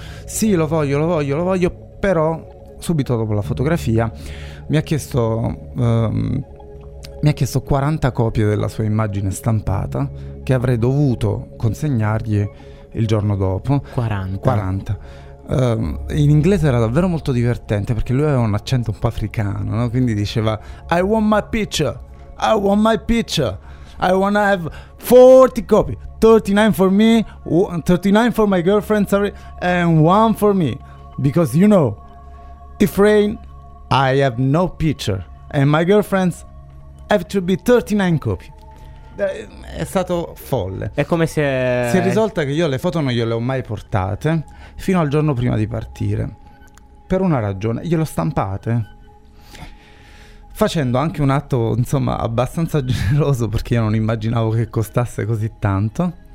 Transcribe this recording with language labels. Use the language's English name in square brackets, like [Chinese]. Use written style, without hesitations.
[Italian] Sì, lo voglio, però subito dopo la fotografia mi ha chiesto 40 copie della sua immagine stampata che avrei dovuto consegnargli il giorno dopo. 40. In inglese era davvero molto divertente perché lui aveva un accento un po' africano, no? Quindi diceva: [English] I want my picture, I wanna have 40 copy, 39 for me, 39 for my girlfriend, sorry, and one for me, because you know, if rain, I have no picture, and my girlfriends have to be 39 copy. [Italian] È stato folle. È come se... si è risolta che io le foto non gliele ho mai portate fino al giorno prima di partire, per una ragione: gliele ho stampate, facendo anche un atto, insomma, abbastanza generoso, perché io non immaginavo che costasse così tanto.